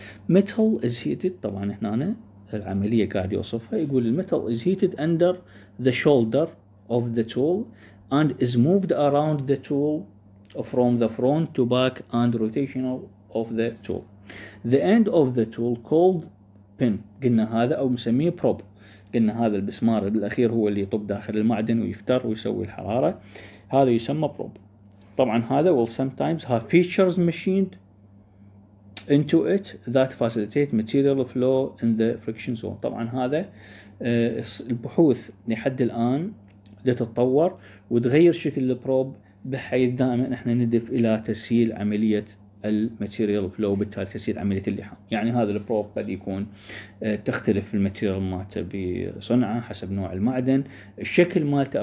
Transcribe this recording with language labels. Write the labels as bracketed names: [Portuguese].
[English] metal is heated، طبعا هنا العمليه قاعد يوصفها يقول metal is heated under the shoulder of the tool and is moved around the tool from the front to back and rotational of the tool. The end of the tool called pin. قلنا هذا أو مسميه probe. [Arabic] قلنا هذا البسمار الأخير هو اللي يطب داخل المعدن ويفتر ويسوي الحرارة. هذا يسمى probe. [English] طبعا هذا will sometimes have features machined into it that facilitate material flow in the friction zone. [Arabic] طبعا هذا البحوث لحد الآن تتطور وتغير شكل البروب بحيث دائما احنا ندف الى تسهيل عملية الماتيريال فلو وبالتالي تسهيل عملية اللحام. يعني هذا البروب قد يكون تختلف الماتيريال مالته بصنعه حسب نوع المعدن الشكل مالته.